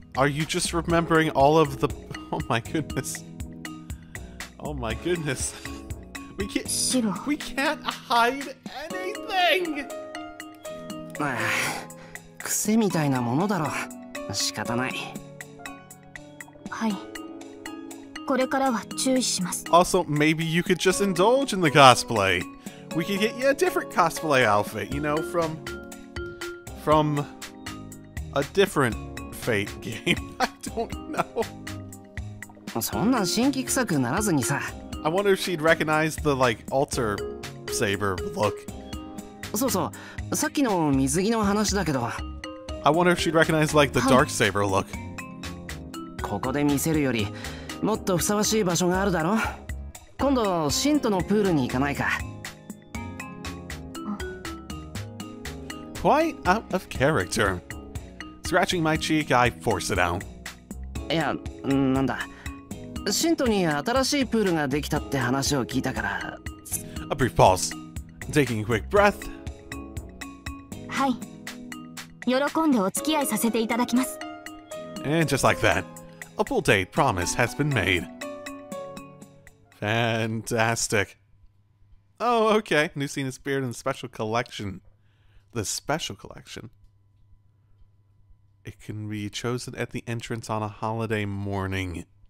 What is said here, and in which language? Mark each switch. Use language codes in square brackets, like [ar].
[en] Are you just remembering all of the? Oh my goodness. Oh my goodness. We can't hide anything! [ja] クセみたいなものだろ。仕方ない。はい。これからは注意します。 [en] Also, maybe you could just indulge in the cosplay. We could get you a different cosplay outfit, you know, from a different Fate game. I don't know. [ja] そんな神器臭くならずにさ。 [en] I wonder if she'd recognize the, like, altar saber look. [ja] そうそう、さっきの水着の話だけど。 [en] I wonder if she'd recognize, like, the dark saber look. [ja] ここで見せるより、もっとふさわしい場所があるだろ。今度、Shintoのプールに行かないか。 [en] Quite out of character. Scratching my cheek, I force it out. [ja] いや、なんだ。シントに新しいプールができたって話を聞いたから。 [en] A brief pause. Taking a quick breath. [ja] はい。喜んでお付き合いさせていただきます。 [en] And just like that, a full date promise has been made. Fantastic. Oh, okay. New scene is appeared in the special collection. The special collection. It can be chosen at the entrance on a holiday morning.